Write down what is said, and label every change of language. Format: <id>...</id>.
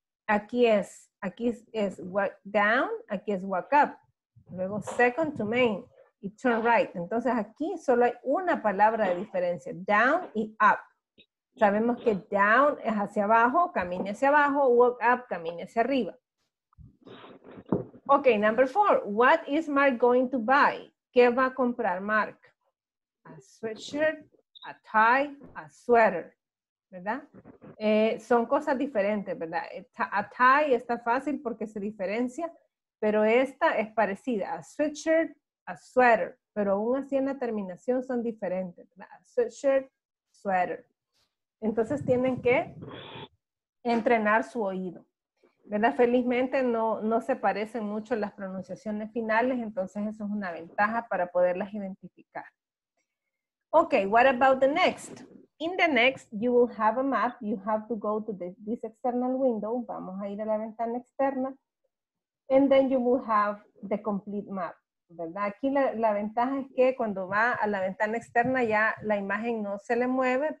<es>aquí es walk down, aquí es walk up. Luego second to main y turn right. Entonces aquí solo hay una palabra de diferencia, down y up. Sabemos que down es hacia abajo, camine hacia abajo, walk up, camine hacia arriba.</es> <en>Ok, number four, what is Mark going to buy?</en> <es>¿Qué va a comprar Mark?</es> <en>A sweatshirt, a tie, a sweater, ¿verdad?</en> <es>Son cosas diferentes, ¿verdad? A tie está fácil porque se diferencia, pero esta es parecida, a sweatshirt, a sweater, pero aún así en la terminación son diferentes, ¿verdad? A sweatshirt, sweater. Entonces tienen que entrenar su oído. ¿Verdad? Felizmente no se parecen mucho las pronunciaciones finales, entonces eso es una ventaja para poderlas identificar.</es> <en>Ok, what about the next? In the next, you will have a map. You have to go to this external window.</en> <es>Vamos a ir a la ventana externa.</es> <en>And then you will have the complete map.</en> <es>¿Verdad? Aquí la ventaja es que cuando va a la ventana externa ya la imagen no se le mueve.</es>